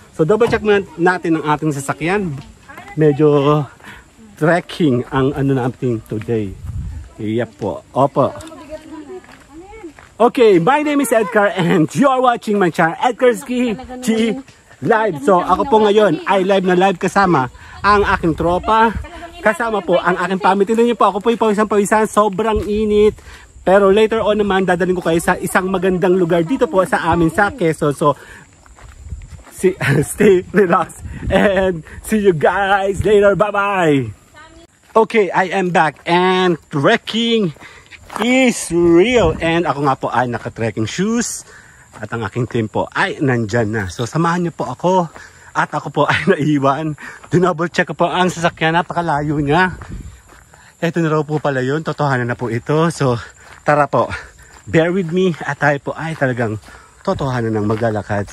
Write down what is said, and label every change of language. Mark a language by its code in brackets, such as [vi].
[tl] So double check muna natin ang ating sasakyan. Medyo trekking ang ano natin today. Yep po. Opo. [en] Okay, my name is Edgar and you are watching my channel, Edgar's Ski Live. [tl] So ako po ngayon ay live na live kasama ang aking tropa. Kasama po ang aking family. Tignan niyo po, ako po yung pawisan-pawisan. Sobrang init. Pero later on naman, dadalhin ko kayo sa isang magandang lugar dito po sa amin sa Quezon. [en] So, stay relaxed and see you guys later. Bye-bye! Okay, I am back and trekking is real. [tl] And ako nga po ay naka-trekking shoes at ang aking team po ay nandyan na. So samahan niyo po ako at ako po ay naiwan. Dinouble check po ang sasakyan, napakalayo niya. Ito na raw po pala yun, totohanan na po ito. So tara po, [en] bear with me [tl] at tayo po ay talagang totohanan ng maglalakad.